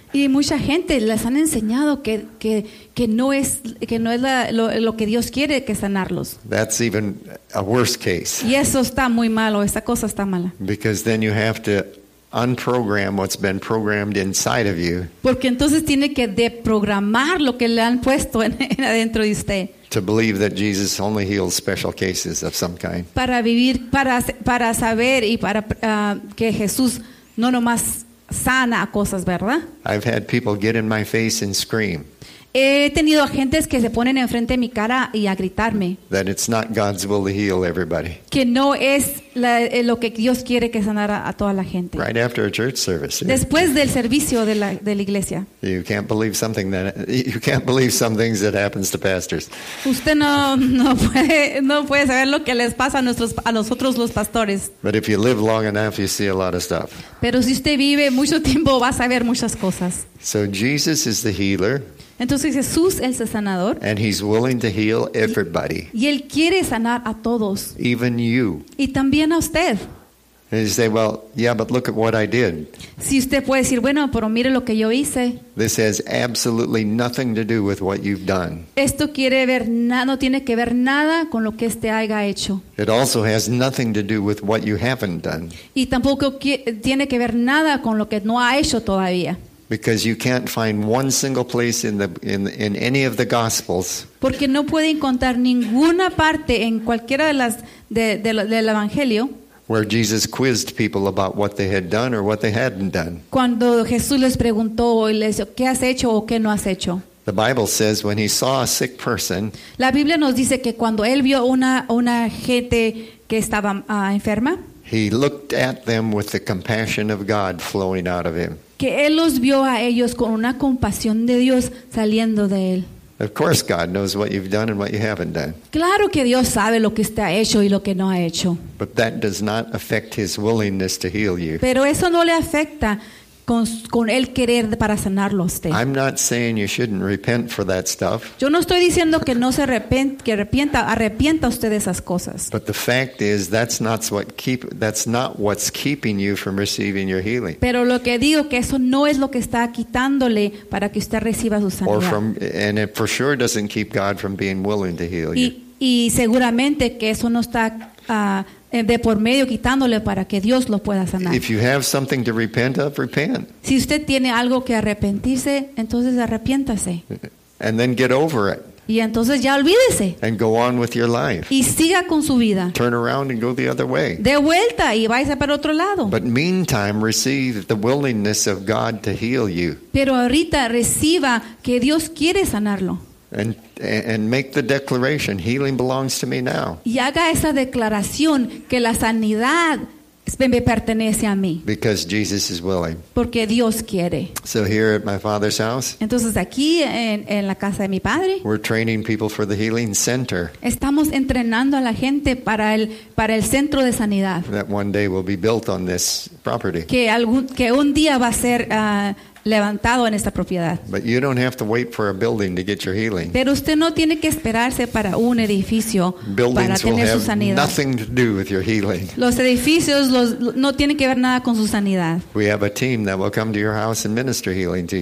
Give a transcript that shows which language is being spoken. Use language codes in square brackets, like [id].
[es] Y mucha gente les han enseñado que no es lo que Dios quiere que sanarlos. [en] That's even a worse case. [es] Y eso está muy malo, esa cosa está mala. [en] Because then you have to unprogram what's been programmed inside of you. [es] Porque entonces tiene que deprogramar lo que le han puesto en adentro de usted. [en] To believe that Jesus only heals special cases of some kind. [es] Para vivir, para saber y para que Jesús no nomás sana cosas, ¿verdad? [en] I've had people get in my face and scream. [es] He tenido agentes que se ponen enfrente de mi cara y a gritarme. [en] That it's not God's will to heal everybody. [es] Que no es lo que Dios quiere que sanara a toda la gente. [en] Right after a church service. [es] Después del servicio de la iglesia. [en] You can't believe something that you can't believe some things that happens to pastors. [es] Usted no puede saber lo que les pasa a nosotros los pastores. [en] But if you live long enough, you see a lot of stuff. [es] Pero si usted vive mucho tiempo, va a saber muchas cosas. [en] So Jesus is the healer. [es] Entonces Jesús es el sanador. [en] And he's willing to heal everybody. [es] Y él quiere sanar a todos. [en] Even you. [es] Y también a usted. [en] And you say, well, yeah, but look at what I did. [es] Si usted puede decir, bueno, pero mire lo que yo hice. [en] This has absolutely nothing to do with what you've done. [es] Esto quiere ver nada, no tiene que ver nada con lo que este haya hecho. [en] It also has nothing to do with what you haven't done. [es] Y tampoco tiene que ver nada con lo que no ha hecho todavía. [en] Because you can't find one single place in any of the gospels. [es] Porque no puede encontrar ninguna parte en cualquiera de las del evangelio. [en] Where Jesus quizzed people about what they had done or what they hadn't done. [es] Cuando Jesús les preguntó y les dijo, ¿qué has hecho o qué no has hecho? [en] The Bible says when he saw a sick person. [es] La Biblia nos dice que cuando él vio una gente que estaba enferma. [en] He looked at them with the compassion of God flowing out of him. [es] Que él los vio a ellos con una compasión de Dios saliendo de él. [en] Of course God knows what you've done and what you haven't done. [es] Claro que Dios sabe lo que usted ha hecho y lo que no ha hecho. [en] But that does not affect his willingness to heal you. [es] Pero eso no le afecta con el querer para sanarlo a usted. [en] I'm not saying you shouldn't repent for that stuff. [es] Yo no estoy diciendo que no se arrepienta usted de esas cosas. [en] But the fact is that's not what's keeping you from receiving your healing. [es] Pero lo que digo que eso no es lo que está quitándole para que usted reciba su sanidad. [en] And it for sure doesn't keep God from being willing to heal you. [es] Y seguramente que eso no está de por medio quitándole para que Dios lo pueda sanar. [en] If you have something to repent of, repent. [es] Si usted tiene algo que arrepentirse, entonces arrepiéntase. [en] And then get over it. [es] Y entonces ya olvídese. [en] And go on with your life. [es] Y siga con su vida. [en] Turn around and go the other way. [es] De vuelta y váyase para otro lado. [en] But meantime, receive the willingness of God to heal you. [es] Pero ahorita reciba que Dios quiere sanarlo. [en] And make the declaration, healing belongs to me now. [es] Y haga esa declaración que la sanidad me pertenece a mí. [en] Because Jesus is willing. [es] Porque Dios quiere. [en] So here at my father's house. [es] Entonces aquí en la casa de mi padre. [en] We're training people for the healing center. [es] Estamos entrenando a la gente para el centro de sanidad. [en] That one day will be built on this property. [es] Que un día va a ser levantado en esta propiedad. [en] But you don't have to wait for a building to get your healing. [es] Pero usted no tiene que esperarse para un edificio [en] buildings [es] para tener [en] will [es] su sanidad. [en] Have nothing to do with your healing. [es] Los edificios no tienen que ver nada con su sanidad. [en] We have a team that will come to your house and minister healing to you.